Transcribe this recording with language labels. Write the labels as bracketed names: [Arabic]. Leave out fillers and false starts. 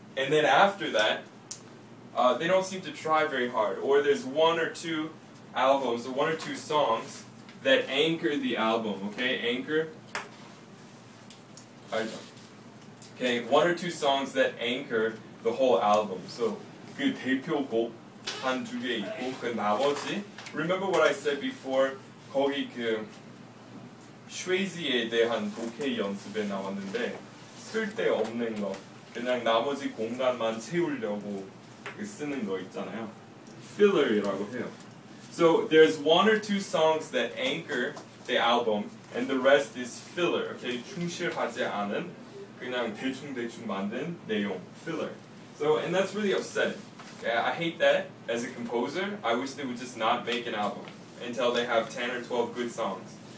[English] And then after that, they don't seem to try very hard. Or there's one or two albums, or one or two songs that anchor the album, okay? Anchor. Okay, one or two songs that anchor the whole album. [Korean] So, 그 대표곡 한 두 개 있고, 그 나머지. [English] Remember what I said before? [Korean] 거기 그, 쉐이지에 대한 독해 연습에 나왔는데, 쓸데없는 거. 그냥 나머지 공간만 채우려고 쓰는 거 있잖아요. Filler이라고 해요. [English] So there's one or two songs that anchor the album, and the rest is filler. [Korean] Okay, 충실하지 않은 그냥 대충 만든 내용 filler. [English] So and that's really upsetting. Yeah, I hate that as a composer. I wish they would just not make an album until they have 10 or 12 good songs.